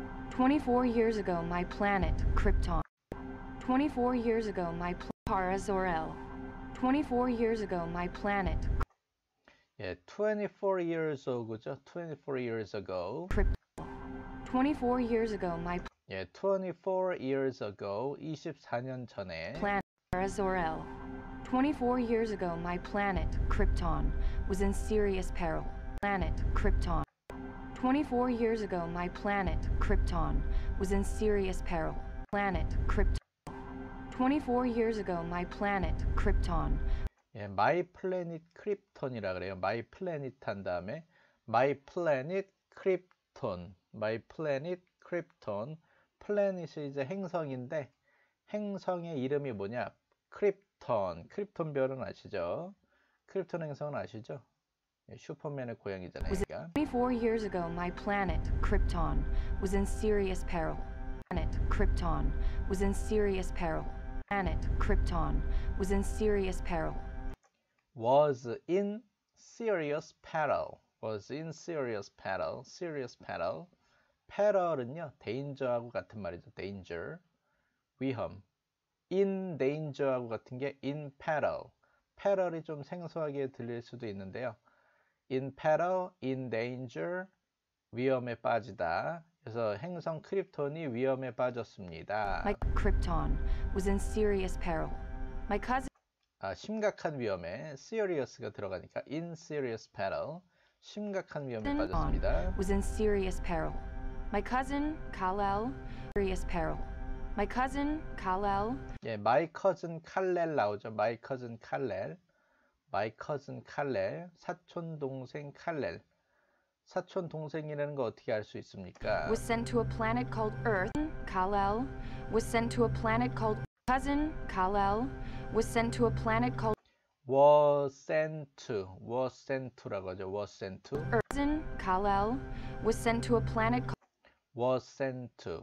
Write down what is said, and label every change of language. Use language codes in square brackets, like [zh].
[en] 24 years ago, my planet, Krypton. 24 years ago, my Kara Zor-El. 24 years ago, my planet. 예, 24 years ago죠? 24 years ago. 24 years ago, my 예, 24 years ago, [ko] 24년 전에. [en] planet, Kara Zor-El. 24 years ago, my planet, Krypton, was in serious peril. Planet, Krypton. 24 years ago, my planet, Krypton, was in serious peril. Planet, Krypton. 24 years ago, my planet, Krypton. 예, my planet Krypton이라 그래요. my planet [ko] 한 다음에 [en] my planet Krypton, my planet Krypton. [ko] planet이 이제 행성인데 행성의 이름이 뭐냐? 크립톤. 크립톤별은 아시죠? 크립톤 행성은 아시죠? 예, 슈퍼맨의 고향이잖아요, 여기가. [en] 24 years ago, my planet, Krypton, was in serious peril. Planet, Krypton, was in serious peril. Planet, Krypton, was in serious peril. was in serious peril. was in serious peril. serious peril. [ko] peril은요, danger하고 같은 말이죠. danger. 위험. [en] in danger하고 [ko] 같은 게 [en] in peril. [ko] peril이 좀 생소하게 들릴 수도 있는데요. [en] in peril, in danger. [ko] 위험에 빠지다. 그래서 행성 크립톤이 위험에 빠졌습니다. [en] My Krypton was in serious peril. My cousin [ko] 심각한 위험에 serious가 들어가니까 [en] in serious peril [ko] 심각한 위험에 빠졌습니다. [en] was in serious peril. My cousin Kal-El serious peril. My cousin, Kal-El. 예, my cousin, Kal-El 나오죠. My cousin, Kal-El. My cousin, Kal-El. [ko] 사촌 동생, Kal-El. 사촌 동생이라는 거 어떻게 알 수 있습니까? [en] Was sent to a planet called Earth, Kal-El. Was sent to a planet called cousin, Kal-El. Was sent to a planet called Was sent to. Was sent to라고 하죠. Was sent to. Earth, Kal-El. Was sent to a planet called Was sent to.